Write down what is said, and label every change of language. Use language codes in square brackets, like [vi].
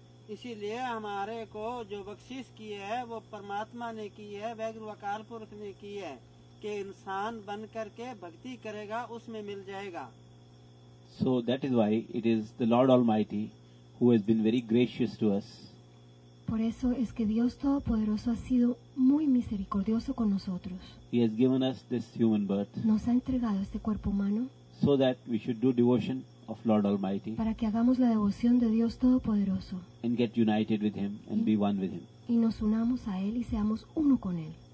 [hi] इसीलिए हमारे को जो बख्शीश की है वो परमात्मा ने की है वैगुरु अकाल पुरख ने की है कि इंसान बन करके भक्ति करेगा उसमें मिल जाएगा [en] So that is why it is the Lord Almighty who has been very gracious to us. [es] Por eso es que Dios Todopoderoso ha sido muy misericordioso con nosotros. [en] He has given us this human birth. [es] Nos ha entregado este cuerpo humano. [en] So that we should do devotion of Lord Almighty. [es] Para que hagamos la devoción de Dios Todopoderoso. [en] And get united with Him and be one with Him. [es] Y nos unamos a Él y seamos uno con Él.